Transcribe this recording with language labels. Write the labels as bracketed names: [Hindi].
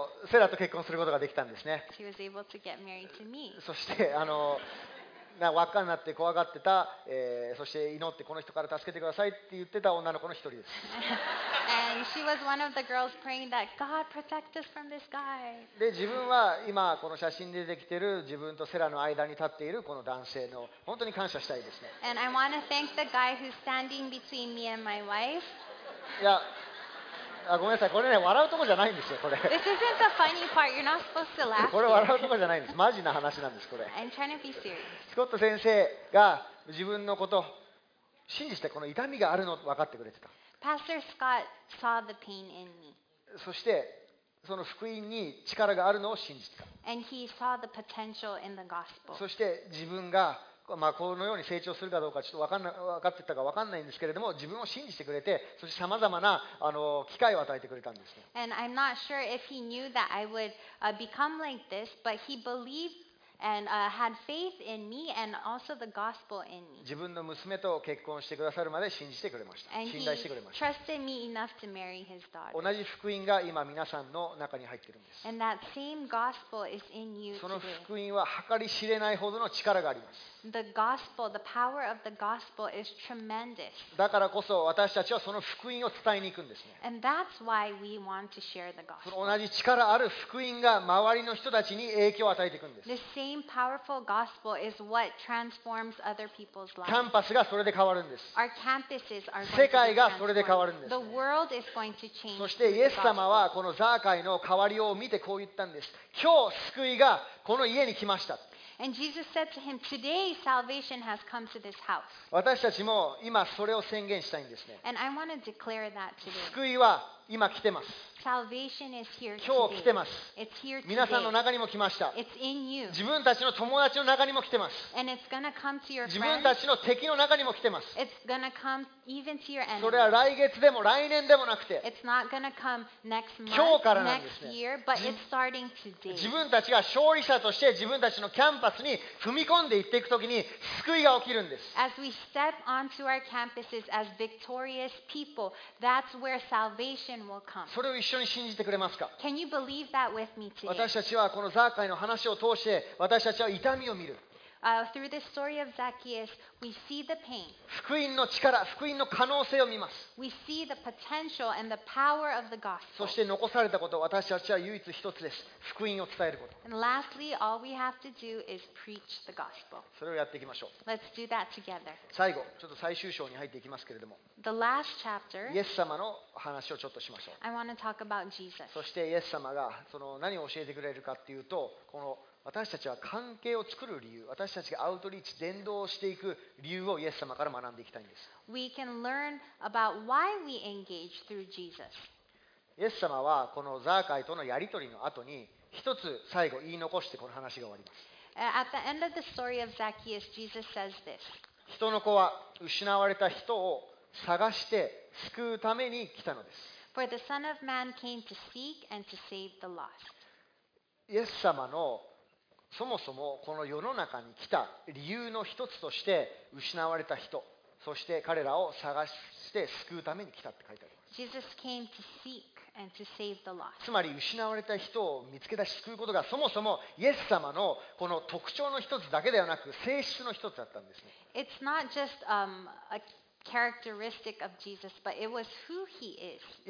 [Japanese] セラと結婚することができたんですね。 [English] She was able to get married to me. [Japanese] そしてな、輪っかになって怖がってた、そして祈ってこの人から助けてくださいって言ってた女の子の一人です。 [English] And she was one of the girls praying that God protect us from this guy. [Japanese] で、自分は今この写真で出てきている自分とセラの間に立っているこの男性の本当に感謝したいですね。 [English] And I want to thank the guy who's standing between me and my wife. [Japanese] いや、あ、ごめんなさい、これね、笑うとこじゃないんですよ、これ。 [English] This isn't the funny part. You're not supposed to laugh. [Japanese] これ笑うとこじゃないんです。マジな話なんです、これ。 [English] I'm trying to be serious. [Japanese] スコット先生が自分のこと信じて、この痛みがあるのを分かってくれてた。 [English] Pastor Scott saw the pain in me. [Japanese] そしてその福音に力があるのを信じてた。 [English] And he saw the potential in the gospel. [Japanese] そして自分がまあ、このように成長するかどうかちょっと分かってたか分かんないんですけれども、自分を信じてくれて、そしてさまざまな機会を与えてくれたんですね。 [English] And I'm not sure if he knew that I would become like this, but he believed and had faith in me and also the gospel in me. [Japanese] 自分の娘と結婚してくださるまで信じてくれました。信頼してくれました。 [English] And he trusted me enough to marry his daughter. [Japanese] 同じ福音が今皆さんの中に入っているんです。 [English] And that same gospel is in you today. [Japanese] その福音は計り知れないほどの力があります。 [English] The gospel, the power of the gospel is tremendous. [Japanese] だからこそ私たちはその福音を伝えに行くんですね。 [English] And that's why we want to share the gospel. [Japanese] その同じ力ある福音が周りの人たちに影響を与えていくんです。 [English] The same powerful gospel is what transforms other people's lives. [Japanese] キャンパスがそれで変わるんです。 [English] Our campuses are going to be transformed. [Japanese] 世界がそれで変わるんです、ね、そしてイエス様はこのザーカイの変わりを見てこう言ったんです。今日救いがこの家に来ました。 [English] And Jesus said to him, "Today salvation has come to this house." [Japanese] 私たちも今それを宣言したいんですね。 [English] And I want to declare that today. [Japanese] 救いは今来てます。 [English] Salvation is here today. [Japanese] 今日来てます。 [English] It's here today. [Japanese] 皆さんの中にも来ました。 [English] It's in you. [Japanese] 自分たちの友達の中にも来てます。 [English] And it's gonna come to your friends. [Japanese] 自分たちの敵の中にも来てます。 [English] It's gonna come even to your enemies. [Japanese] それは来月でも来年でもなくて。 [English] It's not gonna come next month. [Japanese] 今日からなんですね。 [English] Next year, but it's starting today. [Japanese] 自分たちが勝利者として自分たちのキャンパスに踏み込んでいっていくときに救いが起きるんです。 [English] As we step onto our campuses as victorious people, that's where salvation will come. [Japanese] それを一緒に信じてくれますか？ [English] Can you believe that with me today? [Japanese] 私たちはこのザーカイの話を通して私たちは痛みを見る。 [English] Through the story of Zacchaeus, we see the pain. [Japanese] 福音の力、福音の可能性を見ます。 [English] We see the potential and the power of the gospel. [Japanese] そして残されたこと、私たちは唯一一つです。福音を伝えること。 [English] And lastly, all we have to do is preach the gospel. [Japanese] それをやっていきましょう。 [English] Let's do that together. [Japanese] 最後、ちょっと最終章に入っていきますけれども。 [English] The last chapter. [Japanese] イエス様の話をちょっとしましょう。 [English] I want to talk about Jesus. [Japanese] そしてイエス様がその何を教えてくれるかっていうと、この私たちは関係を作る理由、私たちがアウトリーチ、伝道をしていく理由をイエス様から学んでいきたいんです。 [English] We can learn about why we engage through Jesus. [Japanese] イエス様はこのザーカイとのやり取りの後に一つ最後言い残してこの話が終わります。 [English] At the end of the story of Zacchaeus, Jesus says this. [Japanese] 人の子は失われた人を探して救うために来たのです。 [English] For the Son of Man came to seek and to save the lost. [Japanese] イエス様のそもそもこの世の中に来た理由の一つとして失われた人、そして彼らを探して救うために来たって書いてあります。 [English] Jesus came to seek and to save the lost. [Japanese] つまり失われた人を見つけ出し救うことがそもそもイエス様のこの特徴の一つだけではなく性質の一つだったんですね。 [English] It's not just a characteristic of Jesus, but it was who he is.